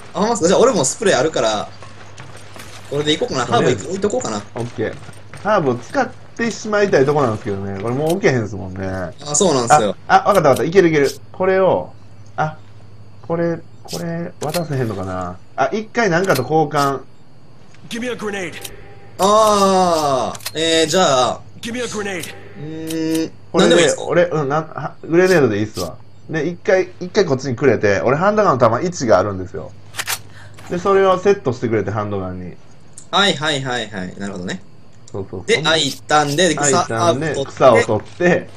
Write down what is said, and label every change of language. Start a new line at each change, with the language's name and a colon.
Japanese: あ、まさか。じゃあ俺もスプレーあるから、これでいこうかな。ハーブ置いとこうかな。オッケー。ハーブを使ってしまいたいとこなんですけどね、これもう置けへんすもんね。あ、そうなんですよ。あ、わかったわかった、いけるこれを。あ、これ渡せへんのかな。あ、一回なんかと交換。
English: Give me a grenade。
Japanese: あー、じゃあ
English: Give me a grenade。
Japanese: これで俺、うん、グレネードでいいっすわ。で、一回こっちにくれて、俺ハンドガンの弾位置があるんですよ。で、それをセットしてくれて、ハンドガンに。はいはいはいはい、なるほどね。そう。で、開いたんで、草を取って、